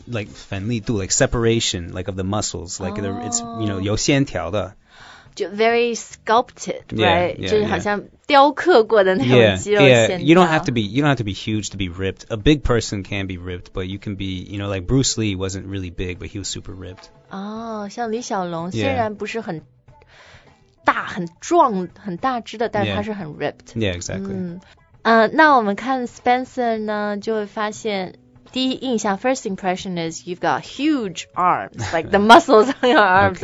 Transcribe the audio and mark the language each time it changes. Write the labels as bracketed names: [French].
[English] Like [Chinese] 粉粒度， [English] like separation, like of the muscles, like the, it's, you know, [Chinese] 有线条的， [English] 就 very sculpted, yeah, right? Yeah, [Chinese] 就是好像雕刻过的那种肌肉线条。 [English] Yeah, you don't have to be huge to be ripped. A big person can be ripped, but you can be, like Bruce Lee wasn't really big, but he was super ripped. [Chinese] 哦，像李小龙虽然不是很大、很壮、很大只的，但他是很 ripped. [English] Yeah, exactly. [Chinese] 那我们看 Spencer 呢，就会发现第一印象 [English] ，first impression is you've got huge arms, like the muscles on your arms